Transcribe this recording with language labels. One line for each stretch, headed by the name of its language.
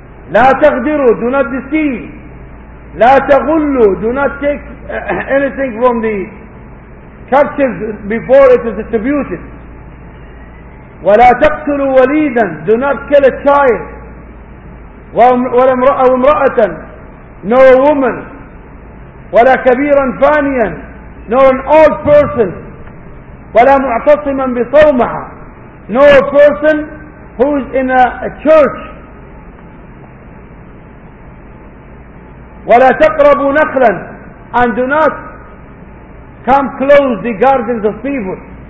Arabic: لا تغدروا,
English: do not deceive.
Arabic: لا تغلوا,
English: do not take anything from the captives before it is distributed.
Arabic: ولا تقتلوا وليدا,
English: do not kill a child.
Arabic: ولا امرأة أو امرأة,
English: nor a woman.
Arabic: ولا كبيرا فانيا,
English: nor an old person.
Arabic: ولا معتصما بصومعة,
English: nor a person who is in a church.
Arabic: ولا تقربوا نخلا,
English: and do not come close the gardens of thieves.